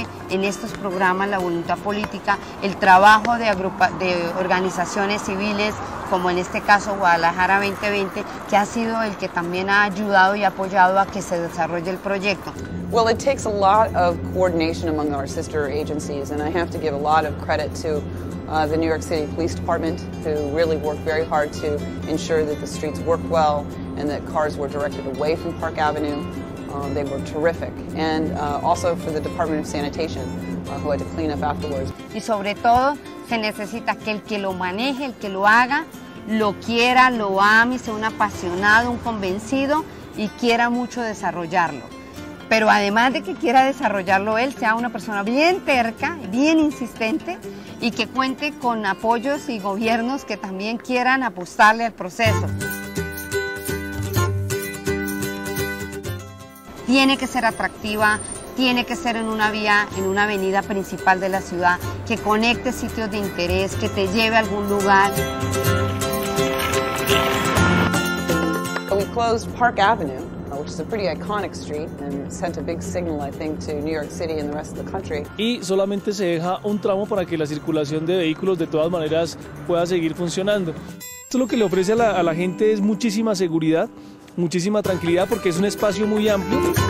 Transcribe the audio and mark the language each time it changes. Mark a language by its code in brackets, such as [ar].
[es] En estos programas la voluntad política, el trabajo de organizaciones civiles, como en este caso Guadalajara 2020, que ha sido el que también ha ayudado y apoyado a que se desarrolle el proyecto. [en] Well, it takes a lot of coordination among our sister agencies, and I have to give a lot of credit to the New York City Police Department, who really worked very hard to ensure that the streets work well and that cars were directed away from Park Avenue. They were terrific, and also for the Department of Sanitation, who had to clean up afterwards. [es] Y sobre todo, se necesita que el que lo maneje, el que lo haga, lo quiera, lo ame, sea un apasionado, un convencido, y quiera mucho desarrollarlo. Pero además de que quiera desarrollarlo él, sea una persona bien terca, bien insistente, y que cuente con apoyos y gobiernos que también quieran apostarle al proceso. Tiene que ser atractiva, tiene que ser en una vía, en una avenida principal de la ciudad, que conecte sitios de interés, que te lleve a algún lugar. [en] We closed Park Avenue, which is a pretty iconic street, and sent a big signal, I think, to New York City and the rest of the country. [es] Y solamente se deja un tramo para que la circulación de vehículos de todas maneras pueda seguir funcionando. Esto lo que le ofrece a la gente es muchísima seguridad, muchísima tranquilidad, porque es un espacio muy amplio.